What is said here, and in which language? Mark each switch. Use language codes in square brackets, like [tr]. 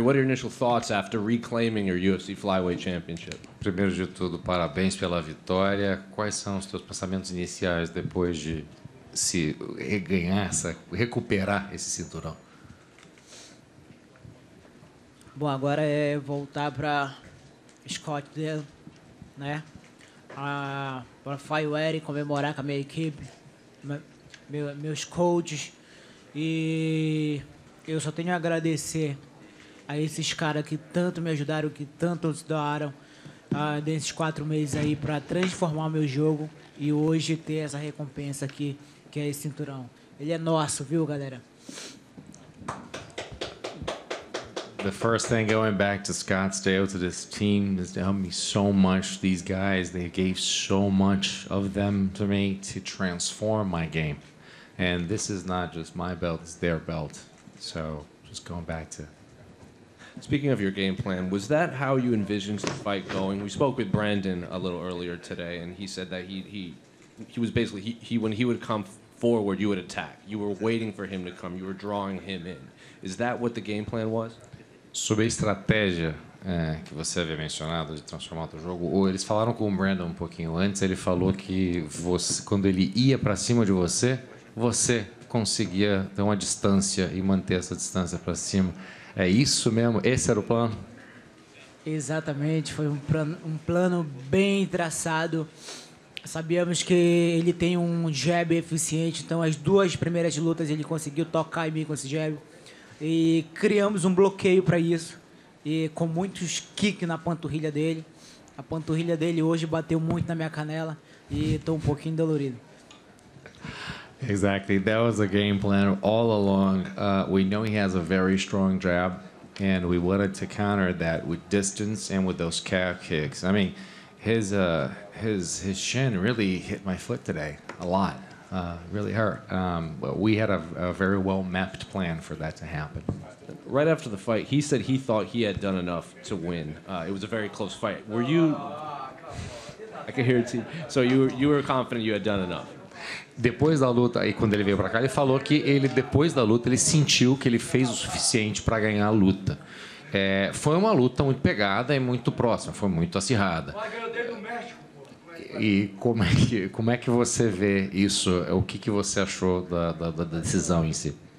[en] What are your initial thoughts after reclaiming your UFC flyweight championship? [pt] Primeiro de tudo, parabéns pela vitória. Quais são os teus pensamentos iniciais depois de se reganhar, recuperar esse cinturão? Bom, agora é voltar para Scottsdale, né? Para flyweight, comemorar com a minha equipe, meus coaches. E eu só tenho a agradecer a esses caras que tanto me ajudaram, que tanto doaram nesses 4 meses aí para transformar o meu jogo e hoje ter essa recompensa aqui, que é esse cinturão. Ele é nosso, viu, galera? [en] The first thing going back to Scottsdale, to this team, has helped me so much. These guys, they gave so much of them to me to transform my game. And this is not just my belt, it's their belt. So, just going back to... Speaking of your game plan, was that how you envisioned the fight going? We spoke with Brandon a little earlier today, and he said that he was basically... He when he would come forward, you would attack. You were waiting for him to come. You were drawing him in. Is that what the game plan was? [pt] Sobre a estratégia que você havia mencionado de transformar o jogo, eles falaram com o Brandon um pouquinho antes. Ele falou que você, quando ele ia para cima de você... você conseguia ter uma distância e manter essa distância para cima. É isso mesmo? Esse era o plano? Exatamente. Foi um plano bem traçado. Sabíamos que ele tem um jab eficiente, então as duas primeiras lutas ele conseguiu tocar em mim com esse jab. E criamos um bloqueio para isso, e com muitos kicks na panturrilha dele. A panturrilha dele hoje bateu muito na minha canela e estou um pouquinho dolorido. [en] Exactly. That was a game plan all along. We know he has a very strong jab, and we wanted to counter that with distance and with those calf kicks. I mean, his shin really hit my foot today a lot. Really hurt. But we had a very well-mapped plan for that to happen. Right after the fight, he said he thought he had done enough to win. It was a very close fight. Were you... I can hear it too. So you were confident you had done enough? [pt] Depois da luta, aí quando ele veio para cá, ele falou que ele, depois da luta, ele sentiu que ele fez o suficiente para ganhar a luta. É, foi uma luta muito pegada e muito próxima, foi muito acirrada. E como é que você vê isso? O que, que você achou da decisão em si?